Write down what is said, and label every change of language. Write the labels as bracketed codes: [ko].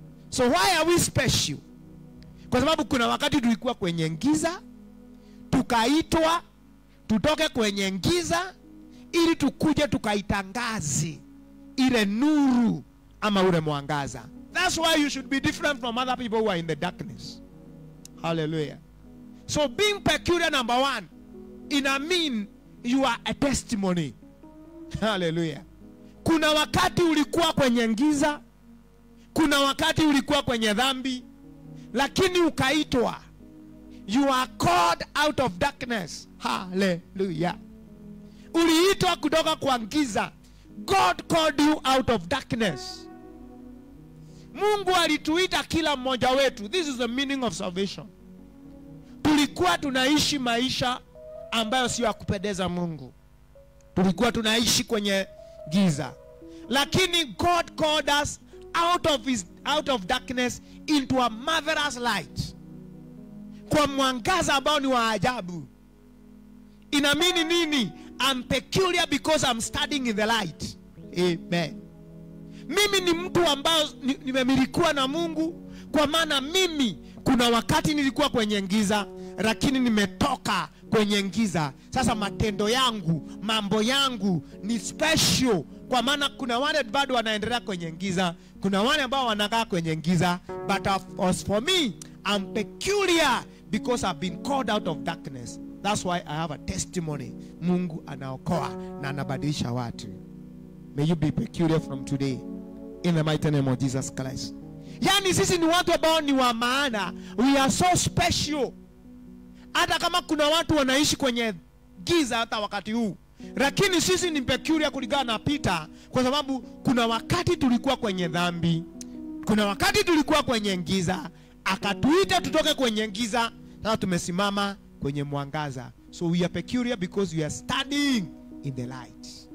[en] So why are we special? [sw] Kwa sababu kuna wakati tulikuwa kwenye giza, tukaitwa tutoke kwenye giza ili tukuje tukaitangazi ile nuru ama ule mwangaza. [en] That's why you should be different from other people who are in the darkness. Hallelujah. So being peculiar, number one, in a mean, you are a testimony. Hallelujah. [sw] Kuna wakati ulikuwa kwenye ngiza, kuna wakati ulikuwa kwenye dhambi, lakini ukaitwa. [en] You are called out of darkness. Hallelujah. [sw] Uliitwa kutoka kwa ngiza. [en] God called you out of darkness. [sw] Mungu alituita kila mmoja wetu. [en] This is the meaning of salvation. [sw] Tulikuwa tunaishi maisha ambayo siyo ya kupendeza Mungu. Tulikuwa tunaishi kwenye giza. Lakini [en] God called us out of darkness into a marvelous light. [sw] Kwa mwangaza ambao ni wa ajabu. Inamini nini? [en] I'm peculiar because I'm studying in the light. Amen. [sw] Mimi ni mtu ambao nimemilikiwa na Mungu, kwa maana mimi kuna wakati nilikuwa kwenye giza, lakini nimetoka kwenye giza. Sasa matendo yangu, mambo yangu ni special, kwa maana kuna wale bado wanaendelea kwenye giza, kuna wale ambao wanakaa kwenye giza, [en] but as for me, I'm peculiar because I've been called out of darkness. That's why I have a testimony. [sw] Mungu anaokoa na anabadilisha watu. [en] May you be peculiar from today in the mighty name of Jesus Christ. [sw] Yani sisi ni watu ambao ni wa maana. [en] We are so special. [sw] Hata kama kuna watu wanaishi kwenye giza hata wakati huu, lakini sisi ni peculiar kulingana na Peter, kwa sababu kuna wakati tulikuwa kwenye dhambi, kuna wakati tulikuwa kwenye giza, akatuita tutoke kwenye giza, sasa tumesimama kwenye mwangaza. [en] So we are peculiar because we are studying in the light.